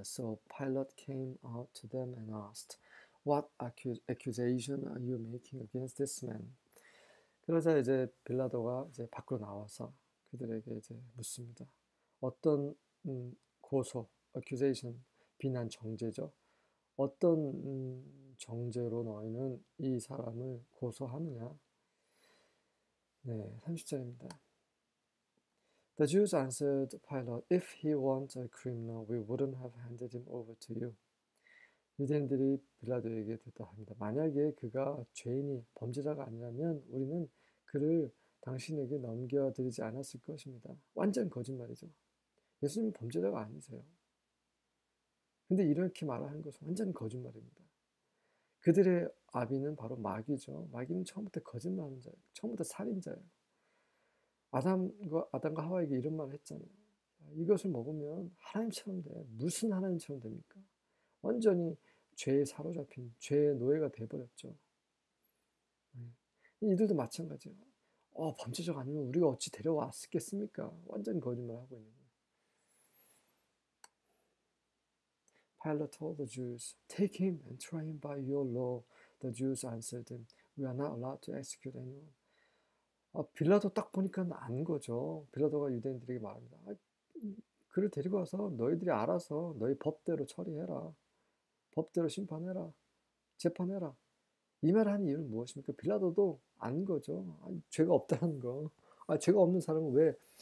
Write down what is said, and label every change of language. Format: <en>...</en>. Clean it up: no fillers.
<en>So Pilate came out to them and asked, "What accusation are you making against this man?"</en> <ko>그러자 이제 빌라도가 이제 밖으로 나와서 그들에게 이제 묻습니다. 어떤 고소, accusation, 비난, 정죄죠? 어떤 정죄로 너희는 이 사람을 고소하느냐? 네, 30절입니다.</ko> <en>The Jews answered Pilate, "If he weren't a criminal, we wouldn't have handed him over to you."</en> <ko>유대인들이 빌라도에게 대답합니다. 만약에 그가 죄인이 범죄자가 아니라면 우리는 그를 당신에게 넘겨드리지 않았을 것입니다. 완전 거짓말이죠. 예수님은 범죄자가 아니세요. 근데 이렇게 말하는 것은 완전 거짓말입니다. 그들의 아비는 바로 마귀죠. 마귀는 처음부터 거짓말하는 자예요. 처음부터 살인자예요. 아담과 하와에게 이런 말을 했잖아요. 이것을 먹으면 하나님처럼 돼. 무슨 하나님처럼 됩니까? 완전히 죄에 사로잡힌 죄의 노예가 돼버렸죠. 이들도 마찬가지예요. 범죄자가 아니면 우리가 어찌 데려왔겠습니까? 완전 거짓말을 하고 있는 거예요.</ko> <en>Pilate told the Jews, "Take him and try him by your law." The Jews answered him, "We are not allowed to execute anyone."</en> <ko>빌라도 딱 보니까 아는 거죠. 빌라도가 유대인들에게 말합니다. 그를 데리고 와서 너희들이 알아서 너희 법대로 처리해라. 법대로 심판해라. 재판해라. 이 말을 하는 이유는 무엇입니까? 빌라도도 아는 거죠. 죄가 없다는 거. 죄가 없는 사람은 왜?</ko>